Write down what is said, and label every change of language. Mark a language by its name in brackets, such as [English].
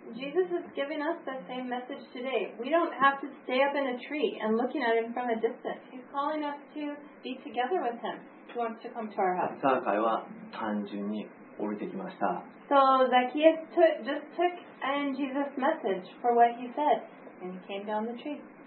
[English] Jesus is giving us the same message today. We don't have to stay up in a tree and looking at him from a distance. He's calling us to be together with him. He wants to come to our house. [Japanese] ザーカイは単純に降りてきました。 [English] So Zacchaeus took and Jesus' message for what he said, and he came down the tree.